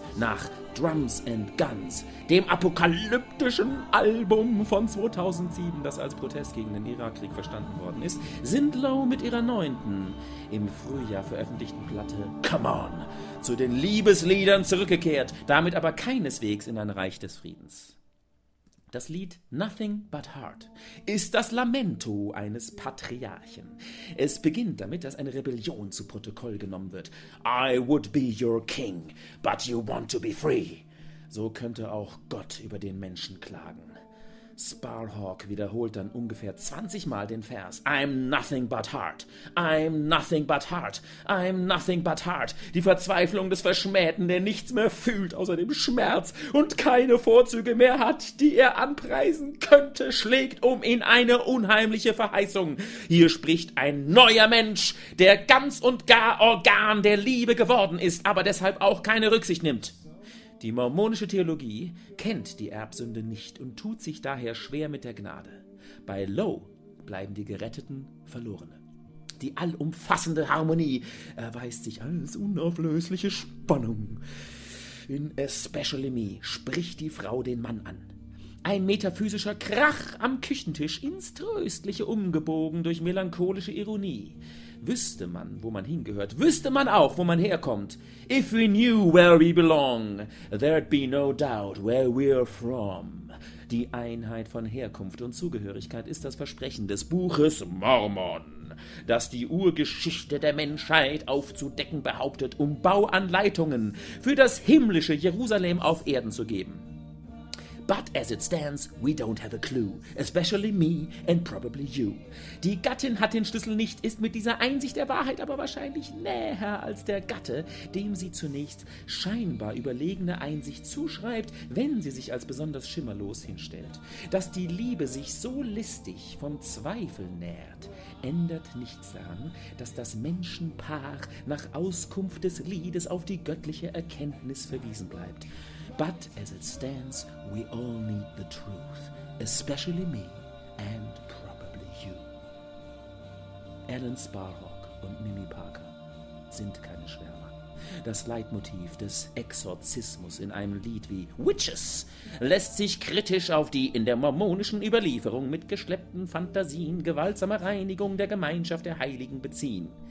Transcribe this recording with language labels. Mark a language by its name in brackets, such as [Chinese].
[German] Nach Drums and Guns, dem apokalyptischen Album von 2007, das als Protest gegen den Irakkrieg verstanden worden ist, sind Low mit ihrer neunten, im Frühjahr veröffentlichten Platte Come On zu den Liebesliedern zurückgekehrt, damit aber keineswegs in ein Reich des Friedens. Das Lied Nothing But Heart ist das Lamento eines Patriarchen. Es beginnt damit, dass eine Rebellion zu Protokoll genommen wird. [English] I would be your king, but you want to be free. [German] So könnte auch Gott über den Menschen klagen. Sparhawk wiederholt dann ungefähr 20 Mal den Vers. [English] I'm nothing but heart. I'm nothing but heart. I'm nothing but heart. [German] Die Verzweiflung des Verschmähten, der nichts mehr fühlt außer dem Schmerz und keine Vorzüge mehr hat, die er anpreisen könnte, schlägt um in eine unheimliche Verheißung. Hier spricht ein neuer Mensch, der ganz und gar Organ der Liebe geworden ist, aber deshalb auch keine Rücksicht nimmt. Die mormonische Theologie kennt die Erbsünde nicht und tut sich daher schwer mit der Gnade. Bei Low bleiben die Geretteten Verlorene. Die allumfassende Harmonie erweist sich als unauflösliche Spannung. In Especially Me spricht die Frau den Mann an. Ein metaphysischer Krach am Küchentisch, ins Tröstliche umgebogen durch melancholische Ironie. Wüsste man, wo man hingehört, wüsste man auch, wo man herkommt. [English] If we knew where we belong, there'd be no doubt where we're from. [German] Die Einheit von Herkunft und Zugehörigkeit ist das Versprechen des Buches Mormon. das die Urgeschichte der Menschheit aufzudecken behauptet, um Bauanleitungen für das himmlische Jerusalem auf Erden zu geben. [English] But as it stands, we don't have a clue, especially me and probably you. [German] Die Gattin hat den Schlüssel nicht, ist mit dieser Einsicht der Wahrheit aber wahrscheinlich näher als der Gatte, dem sie zunächst scheinbar überlegene Einsicht zuschreibt, wenn sie sich als besonders schimmerlos hinstellt. Dass die Liebe sich so listig vom Zweifel nährt, ändert nichts daran, dass das Menschenpaar nach Auskunft des Liedes auf die göttliche Erkenntnis verwiesen bleibt. [English] But as it stands, we all need the truth, especially me and probably you. [German] Alan Sparhawk und Mimi Parker sind keine Schwärmer. Das Leitmotiv des Exorzismus in einem Lied wie Witches lässt sich kritisch auf die in der mormonischen Überlieferung mit geschleppten Fantasien gewaltsame Reinigung der Gemeinschaft der Heiligen beziehen.